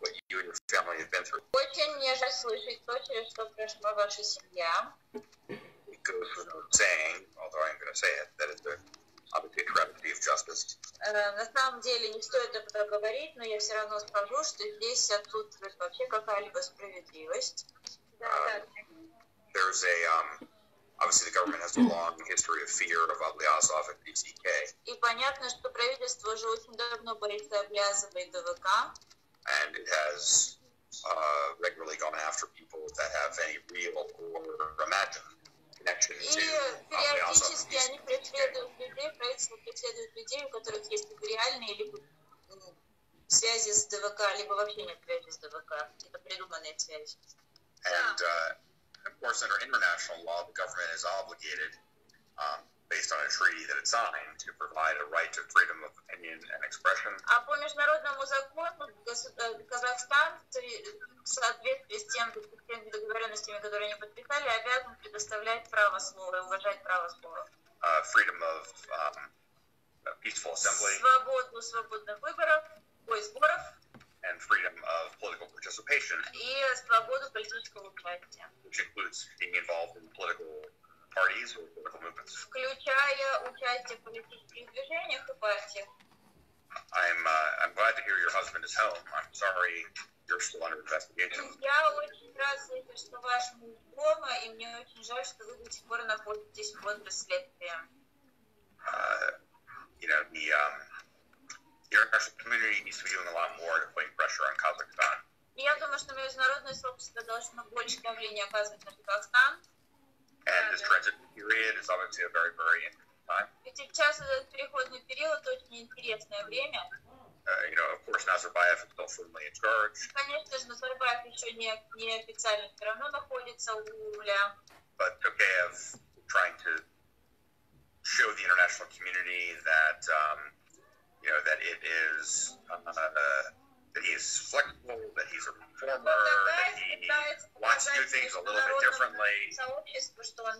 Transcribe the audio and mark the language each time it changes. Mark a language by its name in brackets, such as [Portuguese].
[Russian] Очень нежно слышать то, через что прошла ваша семья. [English] It goes without saying, although I'm going to say it, that is the obviously a tragedy of justice. [Russian] На самом деле не стоит об этом говорить, но я все равно скажу, что здесь отсутствует вообще какая-либо справедливость. [English] There's a obviously the government has a long history of fear of Ablyazov and DCK. [Russian] И понятно, что правительство уже очень давно борется с Облязовой и ДВК. [English] And it has regularly gone after people that have any real or imagined connection to Ablyazov and DCK. [Russian] Преследуют людей, у которых есть реальные либо связи с ДВК, либо вообще нет связи с ДВК. Это придуманные связи. [English] And, of course, under international law, the government is obligated, based on a treaty that it signed, to provide a right to freedom of opinion and expression. [Russian] А по международному закону Казахстан, в соответствии с тем, теми договоренностями, которые они подписали, обязан предоставлять право слова, уважать право слова. [English] Freedom of peaceful assembly. [Russian] Свободных выборов, ой, сборов. [English] And freedom of political participation. [Russian] И свободу политического участия. [English] Which includes being involved in political parties or political movements. [Russian] Включая участие в политических движениях и партиях. [English] I'm glad to hear your husband is home. I'm sorry you're still under investigation. [Russian] Я очень рад слышать, что ваш муж дома, и мне очень жаль, что вы до сих пор находитесь под расследствием. [English] The international community needs to be doing a lot more to put pressure on Kazakhstan. [Russian] Я думаю, что международное сообщество должно больше давления оказывать на Казахстан. [English] And this transit period is obviously a very, very interesting time. [Russian] Ведь сейчас этот переходный период очень интересное время. [English] You know, of course, Nazarbayev is still firmly in charge. [Russian] Конечно же, Назарбаев еще не официально все равно находится у руля. [English] But Tokayev trying to show the international community that that it is that he is flexible, that he's a reformer, that he wants to do things a little bit differently.